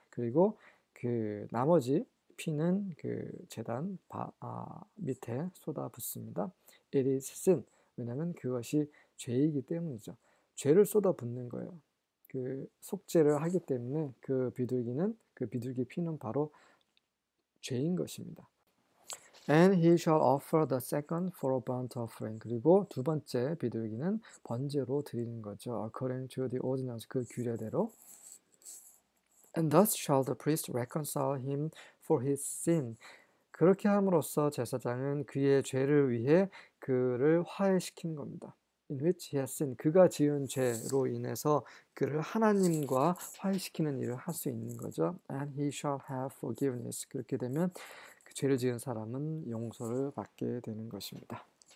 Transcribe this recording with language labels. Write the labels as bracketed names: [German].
[Korean] 그리고 그 나머지 피는 그 제단 밑에 쏟아붓습니다. [English] It is sin. [Korean] 왜냐하면 그것이 죄이기 때문이죠. 죄를 쏟아붓는 거예요. 그 속죄를 하기 때문에 그 비둘기는 그 비둘기 피는 바로 죄인 것입니다. [English] And he shall offer the second for a burnt offering. [Korean] 그리고 두 번째 비둘기는 번제로 드리는 거죠. [English] According to the ordinance, [Korean] 그 규례대로. [English] And thus shall the priest reconcile him for his sin. [Korean] 그렇게 함으로써 제사장은 그의 죄를 위해 그를 화해시킨 겁니다. [English] In which he has sinned. [Korean] 그가 지은 죄로 인해서 그를 하나님과 화해시키는 일을 할수 있는 거죠. [English] And he shall have forgiveness. [Korean] 그렇게 되면 그 죄를 지은 사람은 용서를 받게 되는 것입니다.